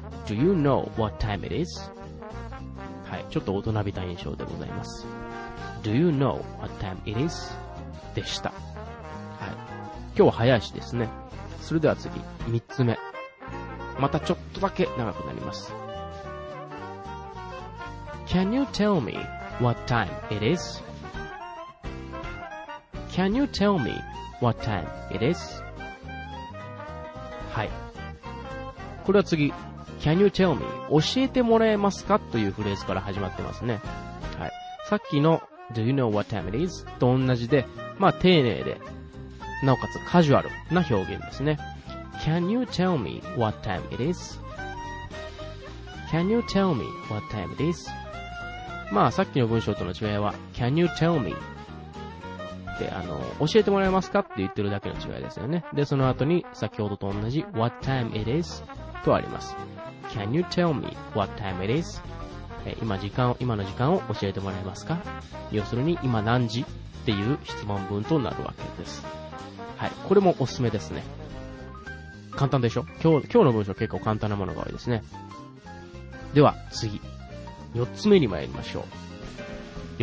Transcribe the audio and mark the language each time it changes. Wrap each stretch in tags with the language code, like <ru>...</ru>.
<en>Do you know what time it is?</en> <ja>はい、ちょっと大人びた印象でございます。</ja> <en>Do you know what time it is?</en> <ja>でした。はい、今日は早いしですね。それでは次、三つ目。またちょっとだけ長くなります。</ja> <en>Can you tell me what time it is? Can you tell me what time it is?</en> <ja>はい、これは次、</ja> <en>Can you tell me?</en> <ja>教えてもらえますか、というフレーズから始まってますね。はい、さっきの</ja> <en>Do you know what time it is?</en> <ja>と同じで、まあ丁寧でなおかつカジュアルな表現ですね。</ja> <en>Can you tell me what time it is? Can you tell me what time it is?</en> <ja>まあさっきの文章との違いは、</ja> <en>Can you tell me?</en> <ja>で、教えてもらえますかって言ってるだけの違いですよね。で、その後に先ほどと同じ</ja> <en>What time it is?</en> <ja>とあります。</ja> <en>Can you tell me what time it is?</en> <ja>今の時間を教えてもらえますか。要するに今何時っていう質問文となるわけです。はい、これもおすすめですね。簡単でしょ。今日の文章結構簡単なものが多いですね。では次、4つ目に参りましょう。</ja>